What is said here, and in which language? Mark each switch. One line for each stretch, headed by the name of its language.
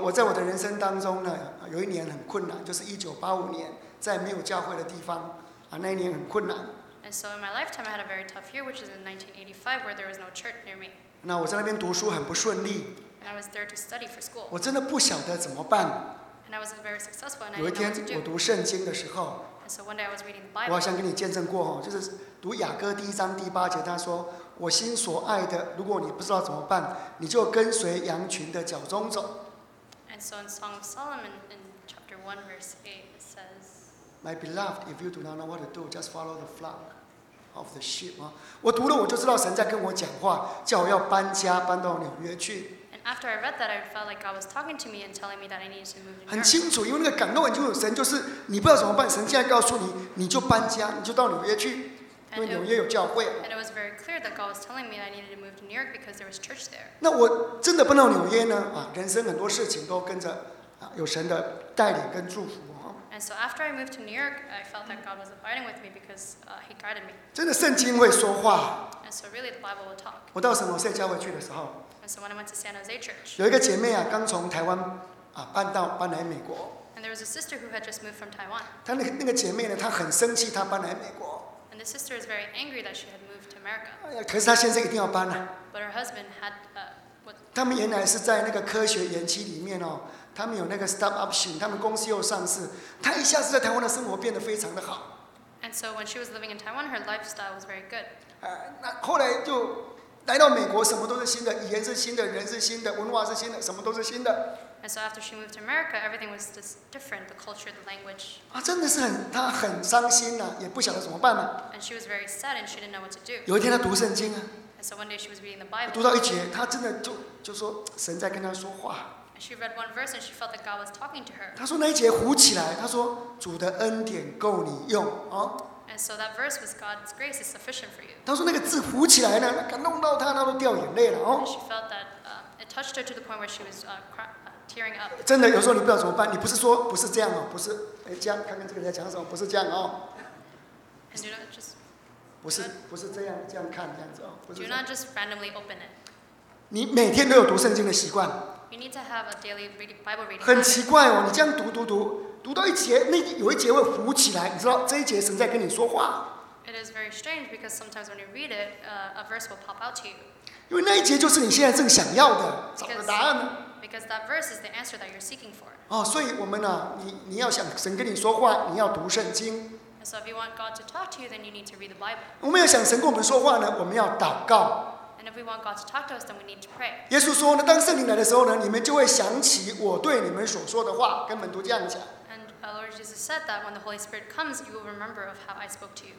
Chinese: 我在我的人生当中呢，有一年很困难，就是1985年，在没有教会的地方，那一年很困难。
English: And so in my lifetime, I had a very tough year, which is in 1985, where there was no church near me.
Chinese: 那我在那边读书很不顺利。
English: And I was there to study for school.
Chinese: 我真的不晓得怎么办。
English: And I wasn't very successful, and I
Chinese: 有一天我读圣经的时候。
English: And so one day I was reading the Bible.
Chinese: 我好像跟你见证过哈，就是读雅各第一章第八节，他说。我心所爱的，如果你不知道怎么办，你就跟随羊群的脚中走。
English: And so in Song of Solomon in chapter 1 verse 8 it says, "My beloved, if you do not know what to do, just follow the flock of the sheep."
Chinese: 我读了我就知道神在跟我讲话，叫我要搬家，搬到纽约去。
English: And after I read that, I felt like God was talking to me and telling me that I needed to move.
Chinese: 很清楚，因为那个感动很清楚，神就是你不知道怎么办，神现在告诉你，你就搬家，你就到纽约去。因为纽约有教会。
English: And it was very clear that God was telling me I needed to move to New York because there was church there.
Chinese: 那我真的搬到纽约呢？人生很多事情都跟着有神的带领跟祝福。
English: And so after I moved to New York, I felt that God was abiding with me because He guided me.
Chinese: 真的圣经会说话。
English: And so really the Bible will talk.
Chinese: 我到圣何塞教会去的时候。
English: And so when I went to San Jose Church.
Chinese: 有一个姐妹刚从台湾搬来美国。
English: And there was a sister who had just moved from Taiwan.
Chinese: 她那个姐妹呢，她很生气，她搬来美国。
English: The sister is very angry that she had moved to America.
Chinese: 可是她先生一定要搬了、
English: 啊。But her husband had what?
Chinese: 他们原来是在那个科学园区里面哦，他们有那个 stock option， 他们公司又上市，她一下子在台湾的生活变得非常的好。
English: And so when she was living in Taiwan, her lifestyle was very good.
Chinese: 那后来就来到美国，什么都是新的，语言是新的，人是新的，文化是新的，什么都是新的。
English: And so after she moved to America, everything was just different, the culture, the language.
Chinese: 真的是她很伤心啊，也不晓得怎么办嘛。
English: And she was very sad and she didn't know what to do.
Chinese: 有一天她读圣经啊。
English: And so one day she was reading the Bible.
Chinese: 读到一节，她真的就说神在跟她说话。
English: And she read one verse and she felt that God was talking to her.
Chinese: 她说那一节糊起来，她说主的恩典够你用啊。
English: And so that verse was, God's grace is sufficient for you.
Chinese: 她说那个字浮起来了，感动到她，她都掉眼泪了。
English: And she felt that it touched her to the point where she was tearing up.
Chinese: 真的，有时候你不知道怎么办，你不是说不是这样哦，不是，哎，这样看看这个人在讲什么，不是这样哦。
English: And you know, just
Chinese: 不是不是这样这样看这样子哦，不是。
English: Do not just randomly open it.
Chinese: 你每天都有读圣经的习惯。
English: You need to have a daily Bible reading.
Chinese: 很奇怪哦，你这样读读读。读到一节，那有一节会浮起来，你知道这一节神在跟你说话。
English: It is very strange because sometimes when you read it, a verse will pop out to you.
Chinese: 因为那一节就是你现在正想要的，找的答案。
English: Because that verse is the answer that you're seeking for.
Chinese: 哦，所以我们呢、啊，你要想神跟你说话，你要读圣经。
English: And so if you want God to talk to you, then you need to read the Bible.
Chinese: 我们要想神跟我们说话呢，我们要祷告。
English: And if we want God to talk to us, then we need to pray.
Chinese: 耶稣说呢，当圣灵来的时候呢，你们就会想起我对你们所说的话，跟门徒这样讲。
English: Lord Jesus said that when the Holy Spirit comes, you will remember of how I spoke to you.